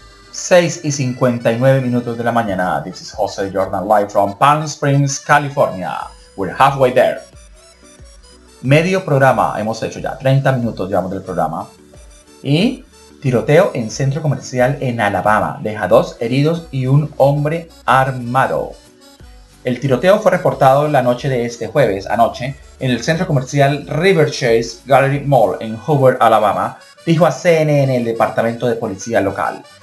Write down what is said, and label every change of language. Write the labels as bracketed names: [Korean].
[Spanish] Seis y 59 minutos de la mañana. [English] This is Jose Jordan live from Palm Springs, California. We're halfway there. [Spanish] Medio programa hemos hecho ya, 30 minutos llevamos del programa. Y tiroteo en centro comercial en Alabama deja 2 heridos y 1 hombre armado. El tiroteo fue reportado la noche de este jueves anoche en el centro comercial River Chase Gallery Mall en Hoover, Alabama, dijo a CNN el departamento de policía local.